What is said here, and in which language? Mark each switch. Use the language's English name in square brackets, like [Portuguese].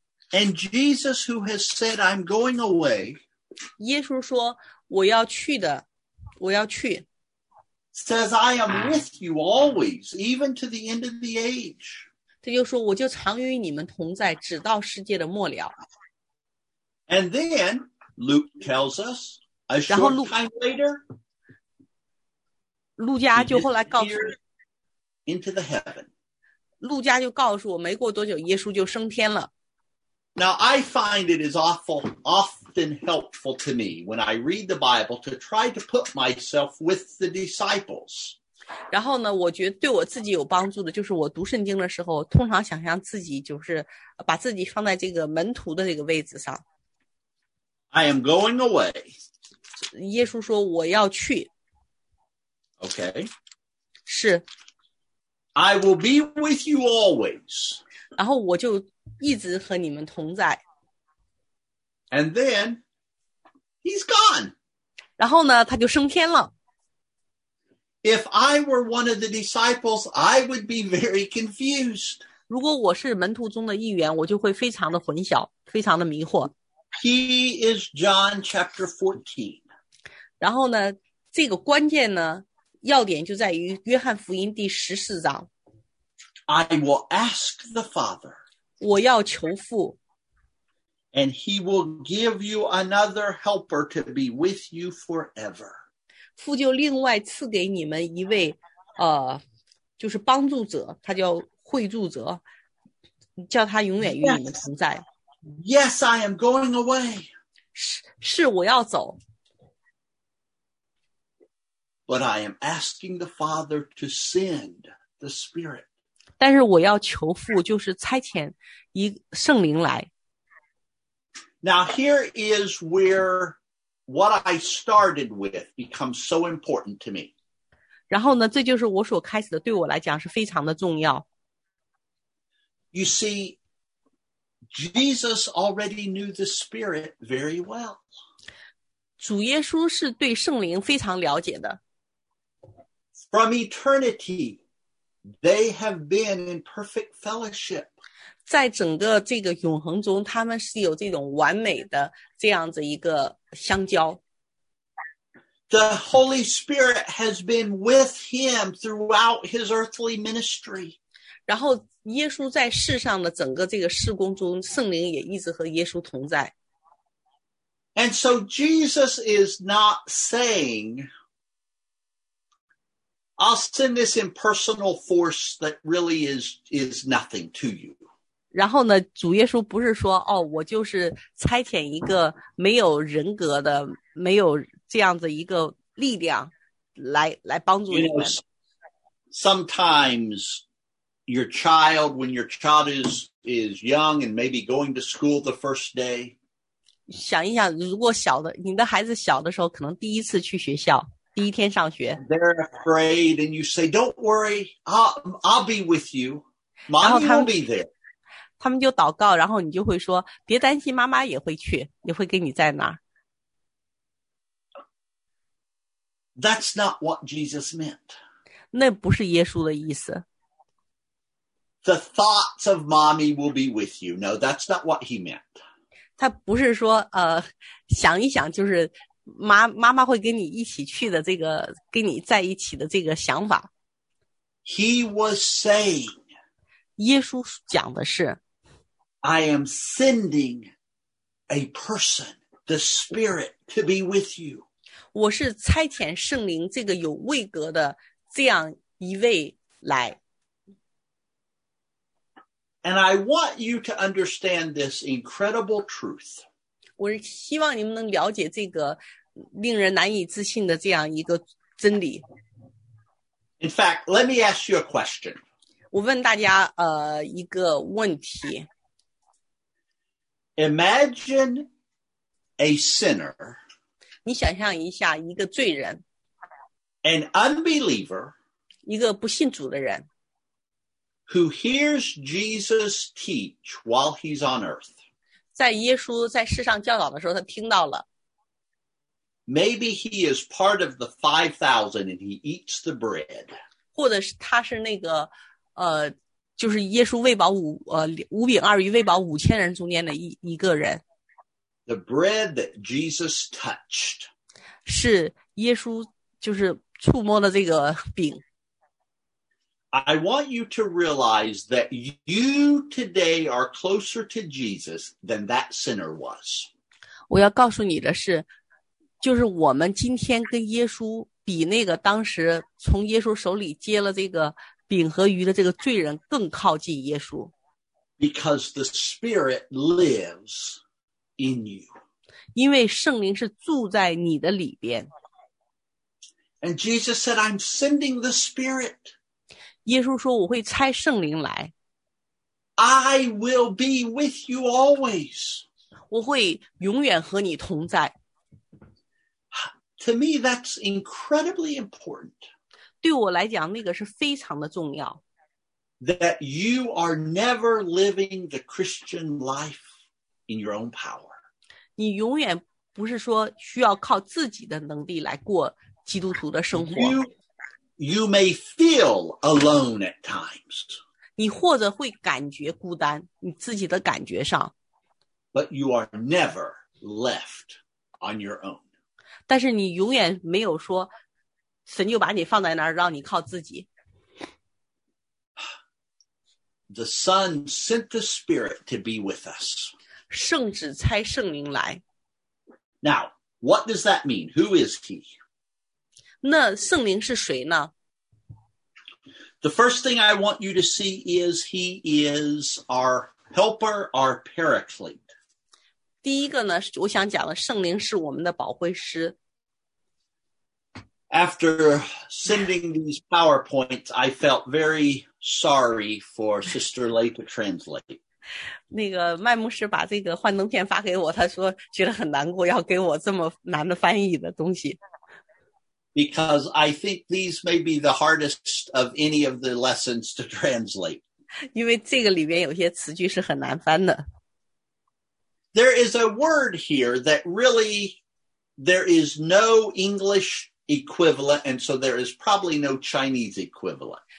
[English] And Jesus, who has said I'm going away. [Chinese] 耶稣说我要去的，我要去。 [English] Says, I am with you always, even to the end of the age. [Chinese] 他就说我就常与你们同在直到世界的末了。 [English] And then, Luke tells us a short time later, into the heaven. [Chinese] 路加就告诉我，没过多久，耶稣就升天了。 [English] Now I find it is often helpful to me when I read the Bible to try to put myself with the disciples. [Chinese] 然后呢，我觉得对我自己有帮助的，就是我读圣经的时候，通常想象自己就是把自己放在这个门徒的这个位置上。 [English] I am going away. [Chinese] 耶稣说我要去。 [English] Okay. [Chinese] 是。 [English] I will be with you always. [Chinese] 然后我就一直和你们同在。 [English] And then, he's gone. [Chinese] 然后呢，他就升天了。 [English] If I were one of the disciples, I would be very confused. [Chinese] 如果我是门徒中的一员，我就会非常的混淆，非常的迷惑。 [English] He is John chapter 14. [Chinese] 然后呢，这个关键呢，要点就在于约翰福音第十四章。 [English] I will ask the Father. [Chinese] 我要求父。 [English] And he will give you another helper to be with you forever. [Chinese] 父就另外赐给你们一位就是帮助者，他叫惠助者，叫他永远与你们同在。 [English] Yes, I am going away. [Chinese] 是我要走。 [English] But I am asking the Father to send the Spirit. [Chinese] 但是我要求父就是差遣一圣灵来。 [English] Now here is where what I started with becomes so important to me. [Chinese] 然后呢，这就是我所开始的，对我来讲是非常的重要。 [English] You see, Jesus already knew the Spirit very well. [Chinese] 主耶稣是对圣灵非常了解的。 [English] From eternity, they have been in perfect fellowship. [Chinese] 在整个这个永恒中，他们是有这种完美的这样子一个相交。 [English] The Holy Spirit has been with him throughout his earthly ministry. [Chinese] 然后耶稣在世上的整个这个事工中，圣灵也一直和耶稣同在。 [English] And so Jesus is not saying,I'll send this impersonal force that really is nothing to you. [Chinese] 然后呢，主耶稣不是说，哦，我就是差遣一个没有人格的，没有这样子一个力量来帮助你们。 [English] You know, sometimes your child, when your child is young and maybe going to school the first day. [Chinese] 想一想，如果小的，你的孩子小的时候，可能第一次去学校。第一天上学 [English] They're afraid and you say, don't worry, I'll be with you. Mommy will be there. [Chinese] 他们就祷告，然后你就会说，别担心，妈妈也会去，也会跟你在那儿。 [English] That's not what Jesus meant. [Chinese] 那不是耶稣的意思。 [English] The thoughts of mommy will be with you. No, that's not what he meant. [Chinese] 他不是说想一想就是妈妈会跟你一起去的这个跟你在一起的这个想法。 [English] He was saying, [Chinese] 耶稣讲的是 [English] I am sending a person, the Spirit, to be with you. [Chinese] 我是差遣圣灵这个有位格的这样一位来。 [English] And I want you to understand this incredible truth. [Chinese] 我希望你们能了解这个令人难以置信的这样一个真理。 [English] In fact, let me ask you a question. [Chinese] 我问大家一个问题。 [English] Imagine a sinner. [Chinese] 你想象一下一个罪人。 [English] An unbeliever. [Chinese] 一个不信主的人。 [English] Who hears Jesus teach while he's on earth. [Chinese] 在耶稣在世上教导的时候他听到了。 [English] Maybe he is part of the 5,000 and he eats the bread. [Chinese] 或者是他是那个就是耶稣喂饱五饼二鱼喂饱五千人中间的一个人。 [English] The bread that Jesus touched. [Chinese] 是耶稣就是触摸了这个饼。 [English] I want you to realize that you today are closer to Jesus than that sinner was. [Chinese] 我要告诉你的是，就是我们今天跟耶稣比，那个当时从耶稣手里接了这个饼和鱼的这个罪人更靠近耶稣。 [English] Because the Spirit lives in you. [Chinese] 因为圣灵是住在你的里边。 [English] And Jesus said, I'm sending the Spirit. [Chinese] 耶稣说我会差圣灵来。 [English] I will be with you always. [Chinese] 我会永远和你同在。 [English] To me, that's incredibly important. [Chinese] 对我来讲，那个是非常的重要。 [English] That you are never living the Christian life in your own power. [Chinese] 你永远不是说需要靠自己的能力来过基督徒的生活。 [English] You may feel alone at times. [Chinese] 你或者会感觉孤单，你自己的感觉上。 [English] But you are never left on your own. [Chinese] 但是你永远没有说神就把你放在那儿让你靠自己。 [English] The Son sent the Spirit to be with us. [Chinese] 圣子差圣灵来。 [English] Now, what does that mean? Who is he? [Chinese] 那圣灵是谁呢? [English] The first thing I want you to see is he is our helper, our paraclete. [Chinese] 第一个呢,我想讲的圣灵是我们的保惠师。 [English] After sending these PowerPoints, I felt very sorry for Sister Lay to translate. [Chinese] 那个麦牧师把这个幻灯片发给我,他说觉得很难过,要给我这么难的翻译的东西。 [English] Because I think these may be the hardest of any of the lessons to translate. [Chinese] 因为这个里面有些词句是很难翻的。 [English] There is a word here that really, there is no English equivalent, and so there is probably no Chinese equivalent.